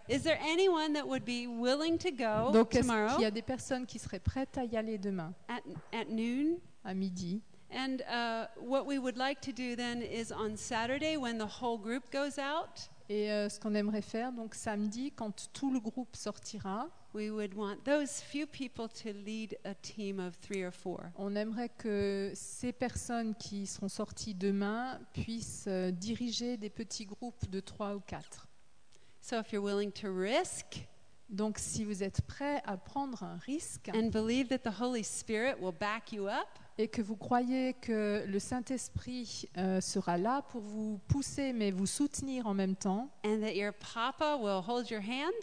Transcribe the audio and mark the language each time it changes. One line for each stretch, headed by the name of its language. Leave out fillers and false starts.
English: Is there anyone that would be willing to go
French: Donc,
English: tomorrow?
French: Est-ce qu'il y a des personnes qui seraient prêtes à y aller demain?
English: At noon.
French: À midi.
English: And what we would like to do then is on Saturday when the whole group goes out.
French: Et ce qu'on aimerait faire donc samedi quand tout le groupe sortira.
English: We would want those few people to lead a team of 3 or 4.
French: On aimerait que ces personnes qui seront sorties demain puissent diriger des petits groupes de 3 ou 4.
English: So if you're willing to risk,
French: donc si vous êtes prêt à prendre un risque,
English: and believe that the Holy Spirit will back you up,
French: et que vous croyez que le Saint-Esprit sera là pour vous pousser mais vous soutenir en même temps,
English: and that your papa will hold your hand,